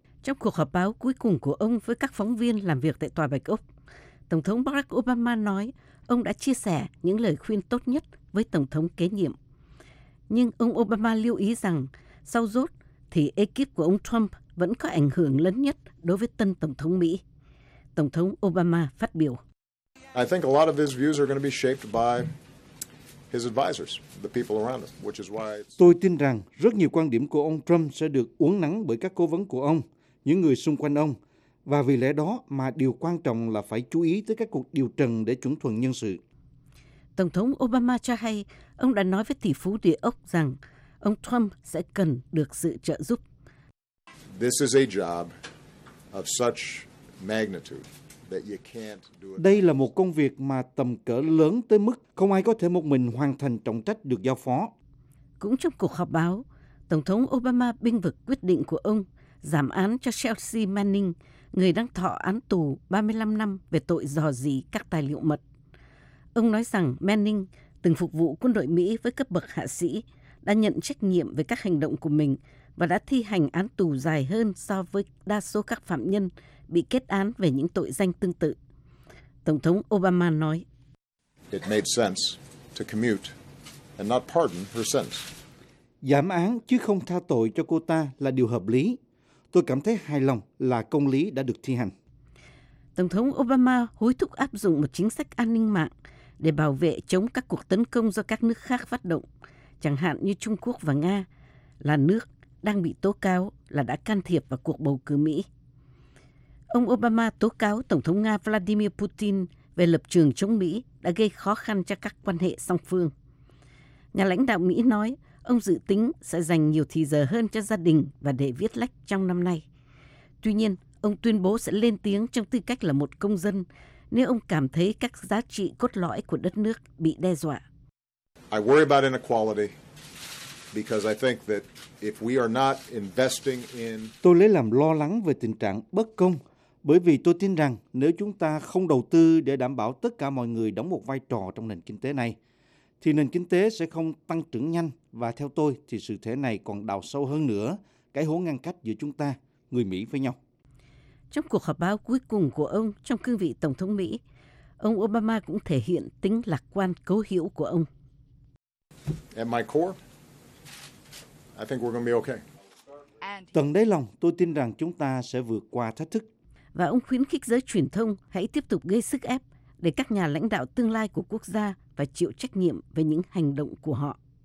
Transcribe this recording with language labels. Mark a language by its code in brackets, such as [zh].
[vi] Trong cuộc họp báo cuối cùng của ông với các phóng viên làm việc tại Tòa Bạch Ốc, Tổng thống Barack Obama nói ông đã chia sẻ những lời khuyên tốt nhất với Tổng thống kế nhiệm. Nhưng ông Obama lưu ý rằng sau rốt thì ekip của ông Trump vẫn có ảnh hưởng lớn nhất đối với tân Tổng thống Mỹ. Tổng thống Obama phát biểu. [en] I think a lot of his views are going to be shaped by his advisors, the people around him, which is why it's... [vi] Tôi tin rằng rất nhiều quan điểm của ông Trump sẽ được uống nắng bởi các cố vấn của ông, những người xung quanh ông, và vì lẽ đó mà điều quan trọng là phải chú ý tới các cuộc điều trần để chuẩn thuận nhân sự. Tổng thống Obama cho hay ông đã nói với tỷ phú địa ốc rằng ông Trump sẽ cần được sự trợ giúp. [en] This is a job of such magnitude. [vi] Đây là một công việc mà tầm cỡ lớn tới mức không ai có thể một mình hoàn thành trọng trách được giao phó. Cũng trong cuộc họp báo, Tổng thống Obama bênh vực quyết định của ông giảm án cho Chelsea Manning, người đang thọ án tù 35 năm về tội rò rỉ các tài liệu mật. Ông nói rằng Manning, từng phục vụ quân đội Mỹ với cấp bậc hạ sĩ, đã nhận trách nhiệm về các hành động của mình và đã thi hành án tù dài hơn so với đa số các phạm nhân bị kết án về những tội danh tương tự. Tổng thống Obama nói, [en] it made sense to commute and not pardon her sentence. [vi] Giảm án chứ không tha tội cho cô ta là điều hợp lý. Tôi cảm thấy hài lòng là công lý đã được thi hành. Tổng thống Obama hối thúc áp dụng một chính sách an ninh mạng để bảo vệ chống các cuộc tấn công do các nước khác phát động, chẳng hạn như Trung Quốc và Nga, là nước đang bị tố cáo là đã can thiệp vào cuộc bầu cử Mỹ. Ông Obama tố cáo Tổng thống Nga Vladimir Putin về lập trường chống Mỹ đã gây khó khăn cho các quan hệ song phương. Nhà lãnh đạo Mỹ nói ông dự tính sẽ dành nhiều thời giờ hơn cho gia đình và để viết lách trong năm nay. Tuy nhiên, ông tuyên bố sẽ lên tiếng trong tư cách là một công dân nếu ông cảm thấy các giá trị cốt lõi của đất nước bị đe dọa. [en] I worry about inequality because I think that if we are not investing in... [vi] Tôi lấy làm lo lắng về tình trạng bất công. Bởi vì tôi tin rằng nếu chúng ta không đầu tư để đảm bảo tất cả mọi người đóng một vai trò trong nền kinh tế này, thì nền kinh tế sẽ không tăng trưởng nhanh và theo tôi thì sự thể này còn đào sâu hơn nữa cái hố ngăn cách giữa chúng ta, người Mỹ với nhau. Trong cuộc họp báo cuối cùng của ông trong cương vị Tổng thống Mỹ, ông Obama cũng thể hiện tính lạc quan cố hữu của ông. [en] At my core, I think we're going to be okay. [vi] Tận đáy lòng, tôi tin rằng chúng ta sẽ vượt qua thách thức. Và ông khuyến khích giới truyền thông hãy tiếp tục gây sức ép để các nhà lãnh đạo tương lai của quốc gia phải chịu trách nhiệm về những hành động của họ.